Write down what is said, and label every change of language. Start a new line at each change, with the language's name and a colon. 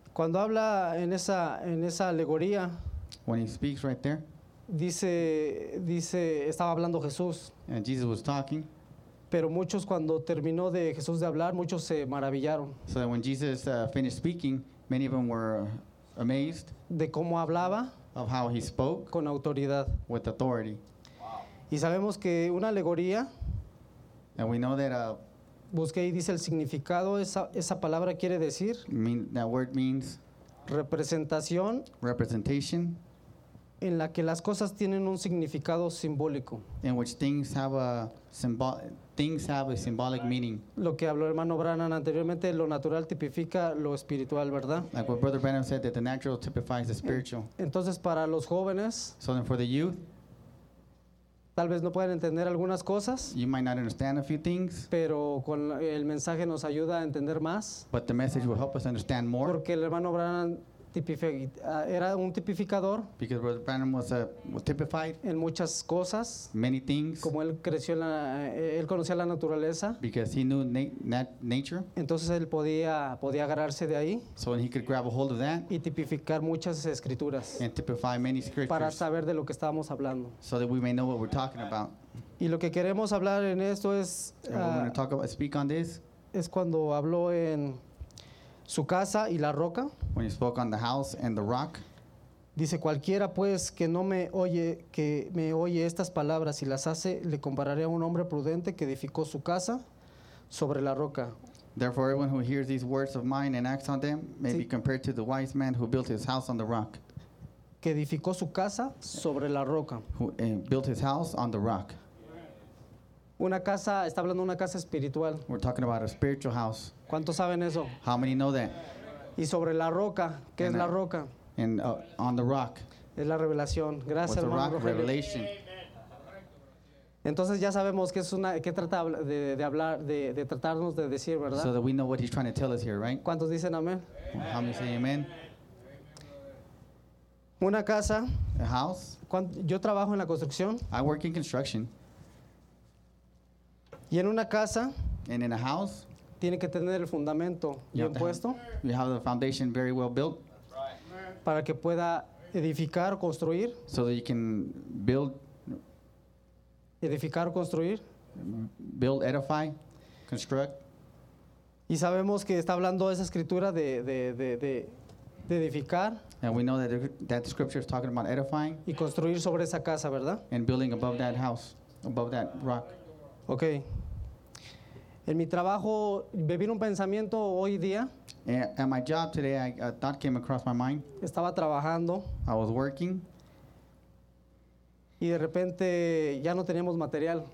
Spanish: Cuando habla en esa alegoría.
English: When he speaks right there.
Spanish: Dice, estaba hablando Jesús.
English: And Jesus was talking.
Spanish: Pero muchos cuando terminó de Jesús de hablar, muchos se maravillaron.
English: So that when Jesus finished speaking, many of them were amazed.
Spanish: De cómo hablaba.
English: Of how he spoke.
Spanish: Con autoridad.
English: With authority. Wow.
Spanish: Y sabemos que una alegoría.
English: And we know that
Spanish: busqué y dice el significado, esa palabra quiere decir.
English: That word means.
Spanish: Representación.
English: Representation.
Spanish: En la que las cosas tienen un significado simbólico.
English: In which things have a symbolic meaning.
Spanish: Lo que habló hermano Branham anteriormente, lo natural tipifica lo espiritual, ¿verdad?
English: Like what Brother Branham said, that the natural typifies the spiritual.
Spanish: Entonces para los jóvenes.
English: So then for the youth.
Spanish: Tal vez no pueden entender algunas cosas.
English: You might not understand a few things.
Spanish: Pero con el mensaje nos ayuda a entender más.
English: But the message will help us understand more.
Spanish: Porque el hermano Branham era un tipificador.
English: Because Brother Branham was typified.
Spanish: En muchas cosas.
English: Many things.
Spanish: Como él creció en la, él conocía la naturaleza.
English: Because he knew nature.
Spanish: Entonces él podía agarrarse de ahí.
English: So he could grab a hold of that.
Spanish: Y tipificar muchas escrituras.
English: And typify many scriptures.
Spanish: Para saber de lo que estábamos hablando.
English: So that we may know what we're talking about.
Spanish: Y lo que queremos hablar en esto es.
English: And what we're going to speak on this.
Spanish: Es cuando habló en su casa y la roca.
English: When he spoke on the house and the rock.
Spanish: Dice cualquiera pues que no me oye, que me oye estas palabras y las hace, le compararé a un hombre prudente que edificó su casa sobre la roca.
English: Therefore, everyone who hears these words of mine and acts on them may be compared to the wise man who built his house on the rock.
Spanish: Que edificó su casa sobre la roca.
English: Who built his house on the rock.
Spanish: Una casa, está hablando de una casa espiritual.
English: We're talking about a spiritual house.
Spanish: ¿Cuántos saben eso?
English: How many know that?
Spanish: Y sobre la roca, ¿qué es la roca?
English: And on the rock.
Spanish: Es la revelación. Gracias,
English: hermano. What's the rock? Revelation.
Spanish: Entonces ya sabemos que es una que trata de hablar de tratarnos de decir, ¿verdad?
English: So that we know what he's trying to tell us here, right?
Spanish: ¿Cuántos dicen amén?
English: Amen. How many say amen?
Spanish: Una casa.
English: A house.
Spanish: Yo trabajo en la construcción.
English: I work in construction.
Spanish: Y en una casa.
English: And in a house.
Spanish: Tiene que tener el fundamento bien puesto.
English: You have the foundation very well built.
Spanish: Para que pueda edificar o construir.
English: So that you can build.
Spanish: Edificar o construir.
English: Build, edify, construct.
Spanish: Y sabemos que está hablando esa escritura de edificar.
English: And we know that scripture is talking about edifying.
Spanish: Y construir sobre esa casa, ¿verdad?
English: And building above that house, above that rock. Okay.
Spanish: En mi trabajo, me vino un pensamiento hoy día.
English: At my job today, a thought came across my mind.
Spanish: Estaba trabajando.
English: I was working.
Spanish: Y de repente ya no teníamos material.